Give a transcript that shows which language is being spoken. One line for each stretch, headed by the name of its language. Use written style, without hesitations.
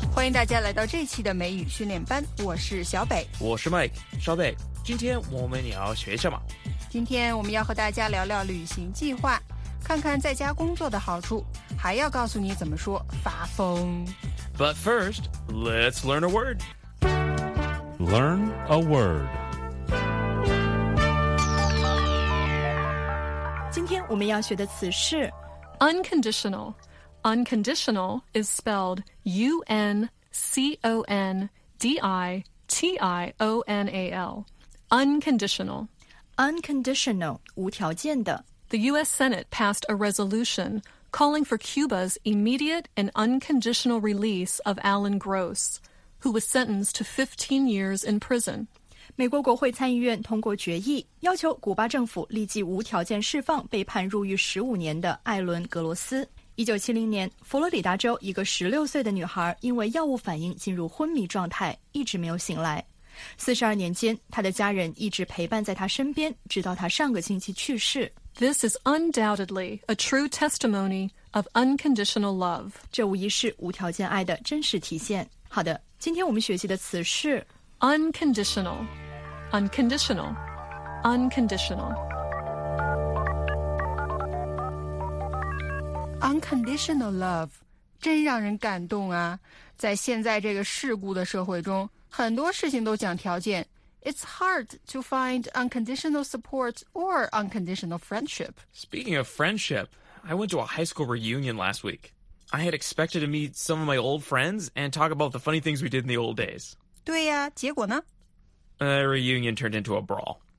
Chinese: 迎大家来到这期的美语训练班，我是小北，我是 Mike。小北，今天我们要学什么？今天我们要和大家聊聊旅行计划，看看在家工作的好处，还要告诉你怎么说发疯。
English: But first, let's learn a word. Learn a word.
Chinese: 今天我们要学的词是
English: unconditional. Unconditional is spelled UNCONDITIONAL. Unconditional. Unconditional,
Chinese: 无条件的。
English: The U.S. Senate passed a resolution calling for Cuba's immediate and unconditional release of Alan Gross, who was sentenced to 15 years in prison.
Chinese: 美国国会参议院通过决议，要求古巴政府立即无条件释放被判入狱15年的艾伦·格罗斯。 1970年，佛罗里达州一个16岁的女孩因为药物反应进入昏迷状态，一直没有醒来。 42年间，她的家人一直陪伴在她身边，直到她上个星期去世。
English: This is undoubtedly a true testimony of unconditional love.
Chinese: 这无疑是无条件爱的真实体现。好的，今天我们学习的词是
English: unconditional, unconditional, unconditional. Unconditional love,
Chinese: 真让人感动啊！在现在这个世故的社会中，很多事情都讲条件。
English: It's hard to find unconditional support or unconditional friendship. Speaking of friendship, I went to a high school reunion last week. I had expected to meet some of my old friends and talk about the funny things we did in the old days.
Chinese: 对呀，结果呢？
English: A reunion turned into a brawl.